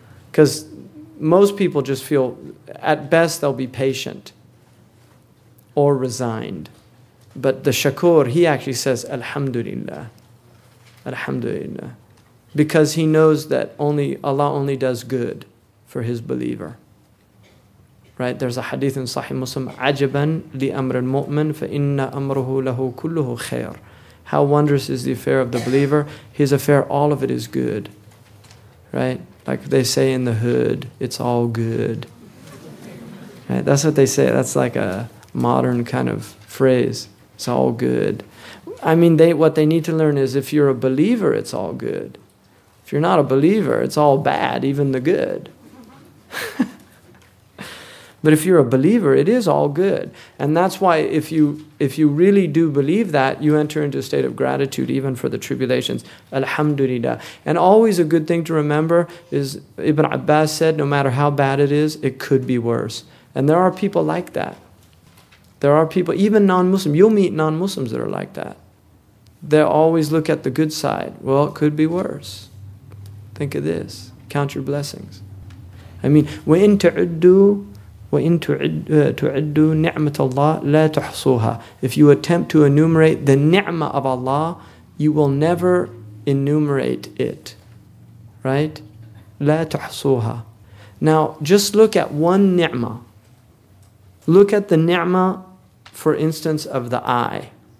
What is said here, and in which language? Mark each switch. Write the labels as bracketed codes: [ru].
[en] Because most people just feel, at best, they'll be patient or resigned. But the shakur, he actually says, Alhamdulillah, Alhamdulillah. Because he knows that only Allah only does good for his believer. Right, there's a hadith in Sahih Muslim, [ar] عَجَبًا لِأَمْرِ الْمُؤْمِنِ فَإِنَّ أَمْرُهُ لَهُ كُلُّهُ خَيْرٌ. [en] How wondrous is the affair of the believer. His affair, all of it is good. Right? Like they say in the hood, it's all good. Right? That's what they say. That's like a modern kind of phrase. It's all good. I mean, what they need to learn is, if you're a believer, it's all good. If you're not a believer, it's all bad, even the good. But if you're a believer, it is all good. And that's why if you really do believe that, you enter into a state of gratitude even for the tribulations. Alhamdulillah. And always a good thing to remember is Ibn Abbas said, no matter how bad it is, it could be worse. And there are people like that. There are people, even non-Muslim. You'll meet non-Muslims that are like that. They always look at the good side. Well, it could be worse. Think of this. Count your blessings. I mean, [ar] وَإِن تَعُدُّوا وَإِن تُعِدُّوا نِعْمَةَ اللَّهِ لَا تُحْصُوهَا. [en] If you attempt to enumerate the ni'mah of Allah, you will never enumerate it. Right? [ar] لَا تُحْصُوهَا. [en] Now, just look at one ni'mah. Look at the ni'mah, for instance, of the eye.